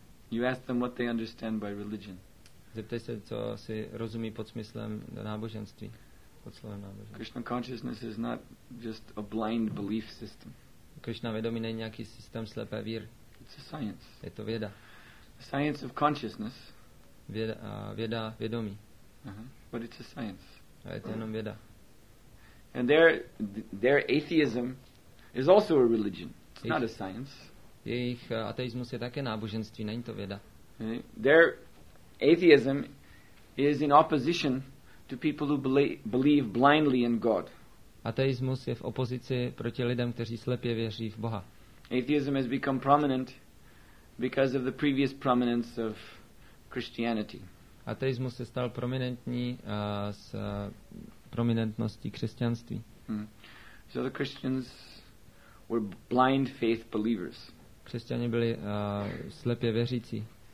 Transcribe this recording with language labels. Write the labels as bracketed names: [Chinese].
[English] You ask them what they understand by religion. [Czech] Zeptej se, co si rozumí pod smyslem náboženství, pod slovem náboženství. [English] Krishna consciousness is not just a blind belief system. [Czech] Krishna vědomí není nějaký systém slepé víry. [English] It's a science. [Czech] Je to věda. [English] A science of consciousness. [Czech] Věda vědomí. [English] Uh-huh. But it's a science. [Czech] A je to jenom věda. [English] And their atheism is also a religion. It's not a science. [Czech] Jejich ateismus je také náboženství, není to věda. [English] Their atheism is in opposition to people who believe blindly in God. [Czech] Ateismus je v opozici proti lidem, kteří slepě věří v Boha. [English] Atheism has become prominent because of the previous prominence of Christianity. [Czech] Ateismus se stal prominentní z prominentnosti křesťanství. [English] So the Christians were blind faith believers. [Czech] Křesťané byli slepě věřící.